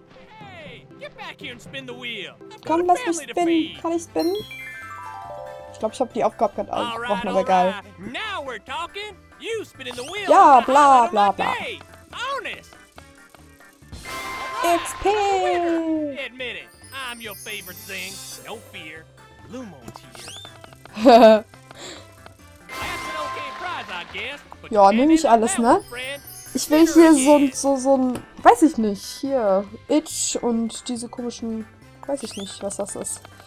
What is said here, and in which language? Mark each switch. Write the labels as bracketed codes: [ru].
[en] Hey, get back here and spin the wheel. [de] Komm, lass mich spinnen. Kann ich spinnen? Ich glaube, ich habe die Aufgabe gerade ausgebrochen, aber geil. [en] Now we're talking. You spinning the wheel. [de] Ja, bla bla bla. [en] Honest. It's Pig. Admit it. I'm your favorite thing. No fear. Lumo's here. That's an okay prize, I guess. [de] Ja, nehme ich alles, ne? Ich will hier so ein, weiß ich nicht, hier Itch und diese komischen, weiß ich nicht, was das ist.